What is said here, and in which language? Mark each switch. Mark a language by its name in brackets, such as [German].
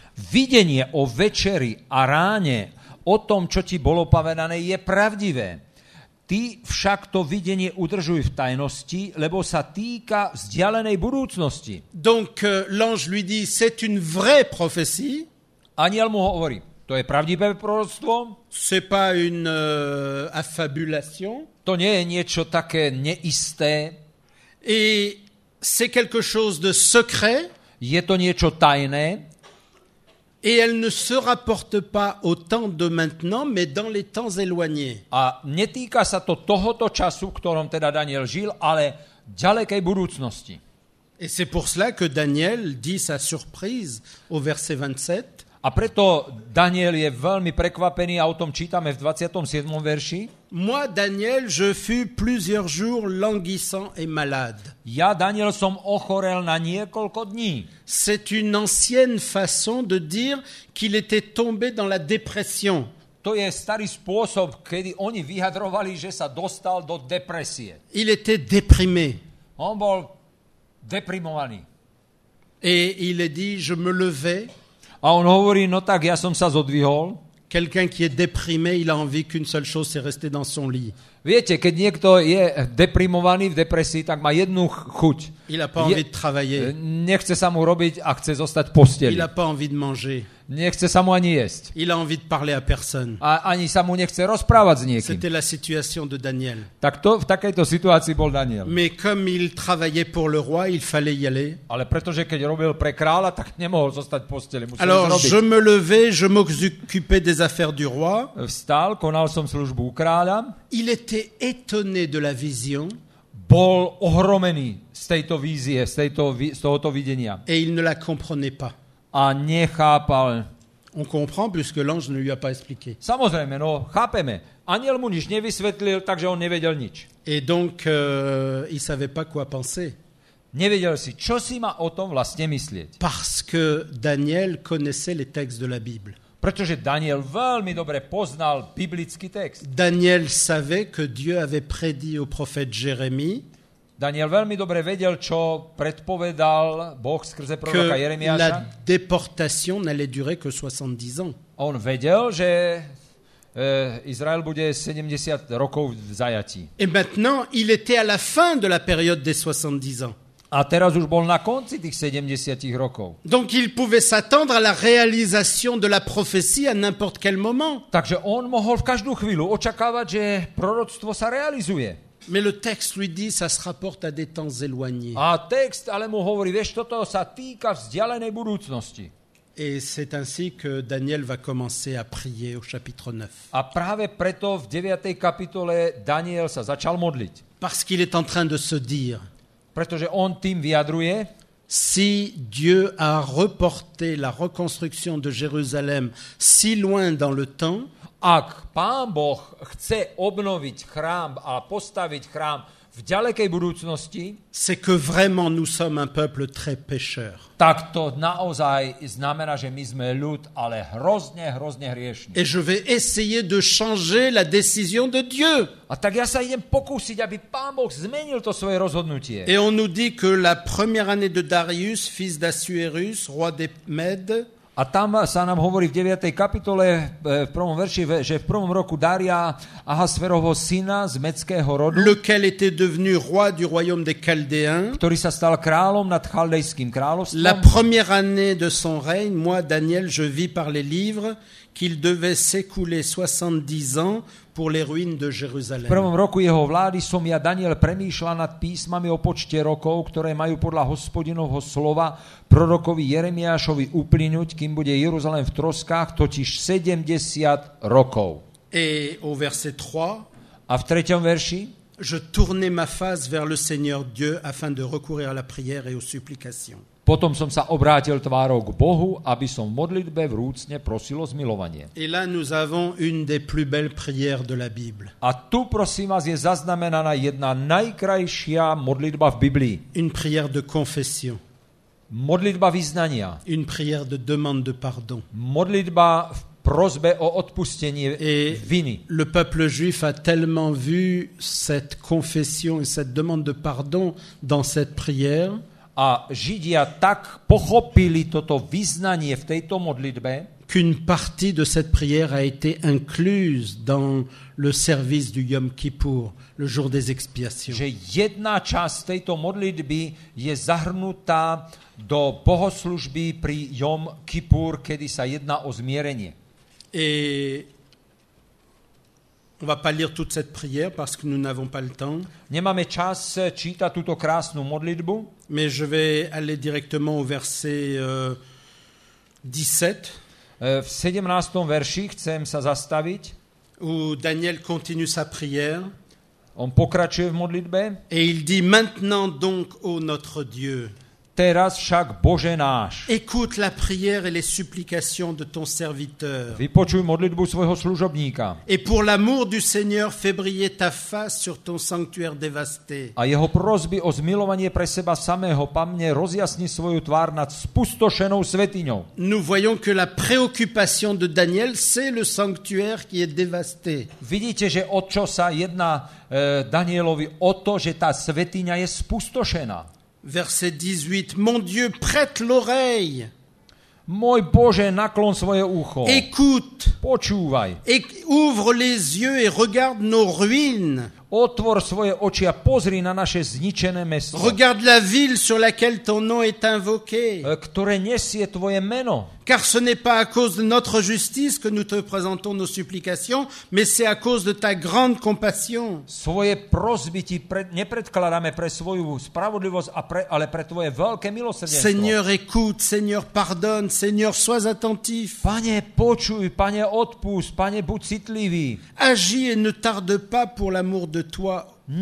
[Slovak] Videnie o večeri a ráne, o tom, čo ti bolo povedané, je pravdivé. Ty však to videnie udržuj v tajnosti, lebo sa týka vzdialenej budúcnosti. [French] Donc l'ange lui dit, c'est une vraie prophétie. [Slovak] Aniel mu hovorí, to je pravdivé proroctvo. [French] C'est pas une affabulation. [Slovak] To nie je niečo také neisté. [French] Et c'est quelque chose de secret. [Slovak] Je to niečo tajné. [French] Et elle ne se rapporte pas au temps de maintenant, mais dans les temps éloignés. [Slovak] A netýka sa to tohoto času, v ktorom teda Daniel žil, ale ďalekej budúcnosti. [French] Et c'est pour cela que Daniel dit sa surprise au verset 27. [Slovak] A preto Daniel je veľmi prekvapený a o tom čítame v 27. verši. [French] Moi, Daniel, je fus plusieurs jours languissant et malade. [Slovak] Ja, Daniel, som ochorel na niekoľko dní. [French] C'est une ancienne façon de dire qu'il était tombé dans la dépression. [Slovak] To je starý spôsob, kedy oni vyhadrovali, že sa dostal do depresie. [French] Il était déprimé. [Slovak] On bol deprimovaný. [French] Et il est dit, je me levais. [Slovak] A on hovorí, no tak, ja som sa zodvihol. [French] Quelqu'un qui est déprimé, il a envie qu'une seule chose, c'est rester dans son lit. [Slovak] Viete, keď niekto je deprimovaný v depresii, tak má jednu chuť. [French] Il a pas envie de travailler. [Slovak] Nechce sa mu robiť a chce zostať v posteli. [French] Il a pas envie de manger. [Slovak] Nechce sa mu ani jesť. [French] Il a envie de parler à personne. [Slovak] A ani sa mu nechce rozprávať s niekým. [French] C'était la situation de Daniel. [Slovak] Tak to, v takejto situácii bol Daniel. [French] Mais comme il travaillait pour le roi, il fallait y aller. [Slovak] Ale pretože keď robil pre kráľa, tak nemohol zostať v posteli, musel [French] alors, [Slovak] robiť. [French] Je me levais, je m'occupais des affaires du roi. [Slovak] Vstal, konal som službu u kráľa. [French] Il était étonné de la vision. [Slovak] Bol ohromený z tejto vízie, z tohoto videnia. [French] Et il ne la comprenait pas. [Slovak] A nechápal. [French] On comprend puisque l'ange ne lui a pas expliqué. [Slovak] Samozrejme, no, chápeme. Aniel mu nič nevysvetlil, takže on nevedel nič. [French] Et donc il savait pas quoi penser. [Slovak] Nevedel si, čo si má o tom vlastne myslieť. [French] Parce que Daniel connaissait les textes de la Bible. [Slovak] Pretože Daniel veľmi dobre poznal biblický text. [French] Daniel savait que Dieu avait prédit au prophète Jérémie. [Slovak] Daniel veľmi dobre vedel, čo predpovedal Boh skrze proroka Jeremiáša. [French] La déportation n'allait durer que 70 ans. [Slovak] On vedel, že Izrael bude 70 rokov v zajatí. [French] Et maintenant, il était à la fin de la période des 70 ans. [Slovak] A teraz už bol na konci tých 70 rokov. [French] Donc il pouvait s'attendre à la réalisation de la prophétie à n'importe quel moment. [Slovak] Takže on mohol v každú chvíľu očakávať, že proroctvo sa realizuje. [French] Mais le texte lui dit ça se rapporte à des temps éloignés. [Slovak] A text ale mu hovorí, vieš, toto sa týka vzdialenej budúcnosti. [French] Et c'est ainsi que Daniel va commencer à prier au chapitre 9. [Slovak] A práve preto v 9. kapitole Daniel sa začal modliť. [French] Parce qu'il est en train de se dire, [Slovak] pretože on tým vyjadruje, [French] si Dieu a reporté la reconstruction de Jérusalem si loin dans le temps, [Slovak] ak Pán Boh chce obnoviť chrám a postaviť chrám v ďalekej budúcnosti, [French] c'est que vraiment nous sommes un peuple très pécheur. [Slovak] Tak to naozaj znamená, že my sme ľud, ale hrozne, hrozne hriešní. [French] Et je vais essayer de changer la décision de Dieu. [Slovak] A tak ja sa idem pokúsiť, aby Pán Boh zmenil to svoje rozhodnutie. [French] Et on nous dit que la première année de Darius, fils d'Assuérus, roi des Mèdes. [Slovak] A tam sa nám hovorí v 9. kapitole, v prvom verši, že v prvom roku Daria Ahasverovho syna z Medského rodu, [French] lequel était devenu roi du royaume des Chaldéens, [Slovak] ktorý sa stal kráľom nad Chaldejským kráľovstvom. [French] La première année de son règne, moi, Daniel, je vis par les livres qu'il devait s'écouler 70 ans pour les ruines de Jérusalem. [Slovak] V prvom roku jeho vlády som ja, Daniel, premýšľal nad písmami o počte rokov, ktoré majú podľa Hospodinovho slova prorokovi Jeremiášovi uplynúť, kým bude Jeruzalem v troskách, totiž 70 rokov. [French] Et au verset 3, [Slovak] a v treťom verši, [French] je tournai ma face vers le Seigneur Dieu afin de recourir à la prière et aux supplications. [Slovak] Potom som sa obrátil tvárou k Bohu, aby som v modlitbe vrúcne prosil o zmilovanie. [French] Et là nous avons une des plus belles prières de la Bible. [Slovak] A tu, prosím vás, je zaznamenaná jedna najkrajšia modlitba v Biblii. [French] Une prière de confession. [Slovak] Modlitba vyznania. [French] Une prière de demande de pardon. [Slovak] Modlitba v prosbe o odpustenie [French] et [Slovak] viny. [French] Le peuple juif a tellement vu cette confession et cette demande de pardon dans cette prière. [Slovak] A Židia tak pochopili toto vyznanie v tejto modlitbe, [French] qu'une partie de cette prière a été incluse dans le service du Yom Kippour, le jour des expiations. [Slovak] Že jedna časť tejto modlitby je zahrnutá do bohoslužby pri Yom Kippur, kedy sa jedná o zmierenie. [French] On va pas lire toute cette prière parce que nous n'avons pas le temps. [Slovak] Nemáme čas čítať túto krásnu modlitbu. [French] Mais je vais aller directement au verset 17. [Slovak] V 17. verši chcem sa zastaviť. [French] Où Daniel continue sa prière. [Slovak] On pokračuje v modlitbe. [French] Et il dit maintenant donc ô notre Dieu. [Slovak] Teraz však Bože náš. [French] Écoute la prière et les supplications de ton serviteur. [Slovak] Vypočuj modlitbu svojho služobníka. [French] Et pour l'amour du Seigneur fais briller ta face sur ton sanctuaire dévasté. [Slovak] A jeho prosby o zmilovanie pre seba samého, pamne rozjasni svoju tvár nad spustošenou svätyňou. [French] Nous voyons que la préoccupation de Daniel c'est le sanctuaire qui est dévasté. [Slovak] Vidíte, že o čo sa jedná Danielovi, o to, že tá svätyňa je spustošená. [French] Verset 18. Mon Dieu, prête l'oreille. [Slovak] Môj Bože, naklon svoje ucho. [French] Écoute. [Slovak] Počúvaj. [French] Ouvre les yeux et regarde nos ruines. [Slovak] Otvor svoje oči a pozri na naše zničené mesto. [French] Regarde la ville sur laquelle ton nom est invoqué. [Slovak] Ktoré nesie tvoje meno. [French] Car ce n'est pas à cause de notre justice que nous te présentons nos supplications, mais c'est à cause de ta grande compassion. [Slovak] Svoje prosby ti nepredkladáme pre svoju spravodlivosť, ale pre tvoje veľké milosrdenstvo. [French] Seigneur, écoute, Seigneur, pardonne, Seigneur, sois attentif. [Slovak] Pane, počuj, Pane, odpust, Pane, buď citlivý. [French] Agis et ne tarde pas pour l'amour de toi,